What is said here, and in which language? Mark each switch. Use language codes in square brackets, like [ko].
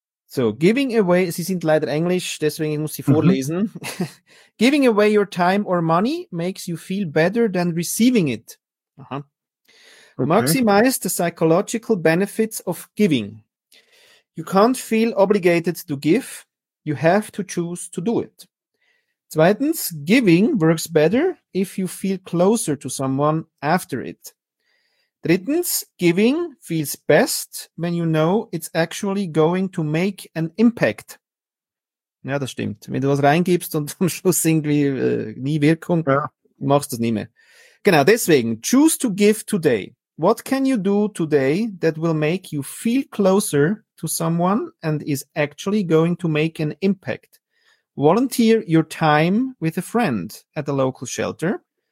[en] So, giving away, [de] sie sind leider Englisch, deswegen muss ich sie vorlesen. [en] Giving away your time or money makes you feel better than receiving it. Aha. Okay. Maximize the psychological benefits of giving. You can't feel obligated to give. You have to choose to do it. [de] Zweitens, [en] giving works better if you feel closer to someone after it. [de] Drittens, [en] giving feels best when you know it's actually going to make an impact. [de] Ja, das stimmt. Wenn du was reingibst und am Schluss irgendwie nie Wirkung, ja, machst du es nie mehr. Genau, deswegen, [en] choose to give today. What can you do today that will make you feel closer to someone and is actually going to make an impact? Volunteer your time with a friend at a local shelter.